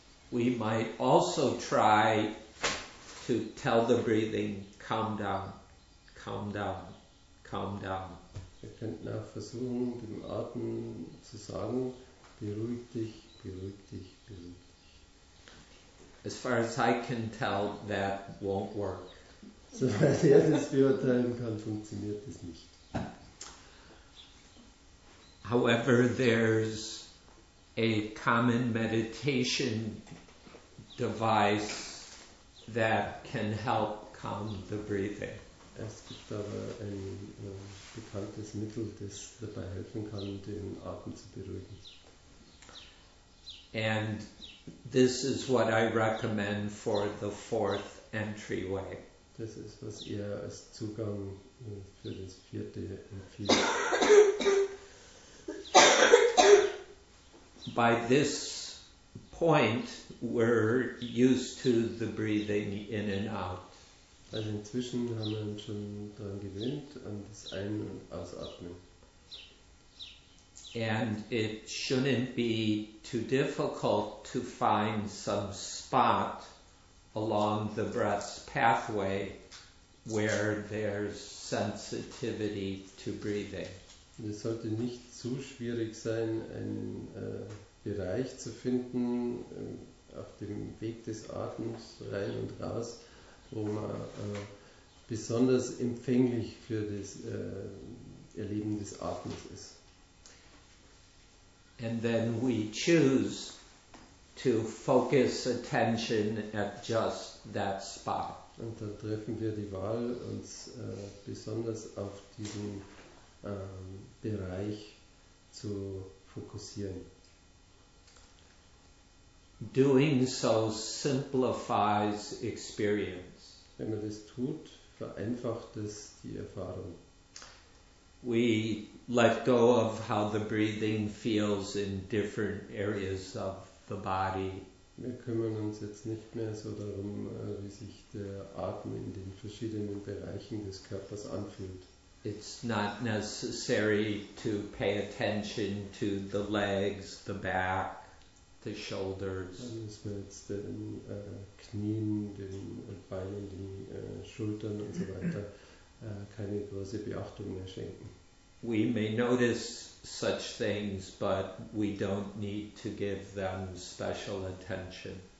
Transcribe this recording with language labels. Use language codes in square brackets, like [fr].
[en] We might also try to tell the breathing, calm down, calm down, calm down. [de] Wir könnten auch versuchen, dem Atem zu sagen, beruhig dich, beruhig dich, beruhig dich. [en] As far as I can tell, that won't work. [de] Soweit er das beurteilen kann, funktioniert es nicht. [en] However, there's a common meditation device that can help calm the breathing. [de] Es gibt aber ein bekanntes Mittel, das dabei helfen kann, den Atem zu beruhigen. [en] And this is what I recommend for the fourth entryway. [de] Das ist, was er als Zugang für das vierte empfiehlt. [en] By this point, we're used to the breathing in and out. [de] Also inzwischen haben wir uns schon daran gewöhnt, an das Ein- und Ausatmen. [en] And it shouldn't be too difficult to find some spot along the breath's pathway where there's sensitivity to breathing. [de] Es sollte nicht zu schwierig sein, einen Bereich zu finden auf dem Weg des Atems rein und raus, wo man besonders empfänglich für das Erleben des Atems ist. [en] And then we choose to focus attention at just that spot. [de] Und dann treffen wir die Wahl, uns besonders auf diesen Bereich zu fokussieren. [en] Doing so simplifies experience. [de] Wenn man das tut, vereinfacht es die Erfahrung. [en] We let go of how the breathing feels in different areas of the body. [de] Wir kümmern uns jetzt nicht mehr so darum, wie sich der Atem in den verschiedenen Bereichen des Körpers anfühlt. [en] It's not necessary to pay attention to the legs, the back, the shoulders. [de] Dann müssen wir jetzt den Knien, den Beinen, den Schultern und so weiter keine große Beachtung mehr schenken. [en] We may notice such things, but we don't need to give them special attention.